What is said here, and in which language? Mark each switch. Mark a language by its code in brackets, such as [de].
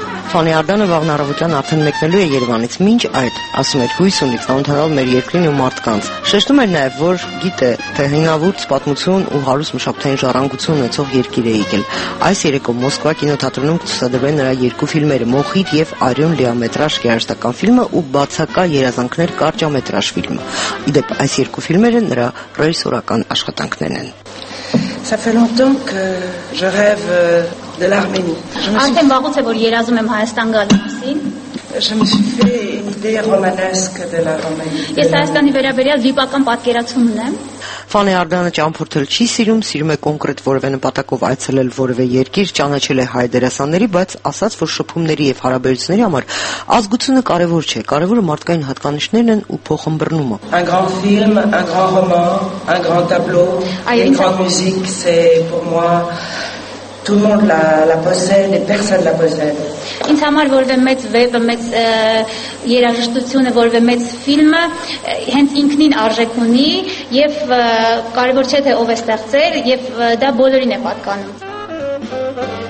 [hy] Ֆանի Արդանը վաղն առավոտյան արդեն մեկնելու է Երևանից, մինչ այդ ասում էր հույս ունի ծանոթանալ մեր երկրին ու մարդկանց։ Շեշտում էր նաև, որ գիտե, թե հինավուրց պատմություն ու հարուստ մշակութային ժառանգություն ունեցող երկիր է եկել։ Այս երեկո Մոսկվա կինոթատրոնում ցուցադրվել նրա երկու ֆիլմերը՝ «Մոխիր» և «Արյուն» լիամետրաժ հեռուստական ֆիլմը ու «Բացակա երազանքներ» կարճամետրաժ ֆիլմը։ Ի դեպ, այս երկու ֆիլմերը նրա ռեժիսորական աշխատանքներն են։ [fr] Ça fait longtemps que je rêve de l'Arménie. Je me suis fait une idée romanesque de la Roumanie. [hy] Ֆանի Արդանը ճամփորդել չի սիրում, սիրում է կոնկրետ որևէ նպատակով այցելել որևէ երկիր, ճանաչել է հայ դերասանների, բայց ասաց, որ շփումների եւ հարաբերությունների համար ազգությունը կարևոր չէ, կարևորը մարդկային հատկանիշներն են ու փոխմբռնումը։ [fr] Un grand film, un grand roman, un grand tableau, une grande musique, c'est pour moi tout le monde la possède et personne la possède. [hy] Ինձ համար որևէ մեծ վեպը, մեծ երաժշտությունը, որևէ մեծ ֆիլմը հենց ինքնին արժեք ունի եւ կարևոր չէ թե ով է ստեղծել եւ դա բոլորին է պատկանում։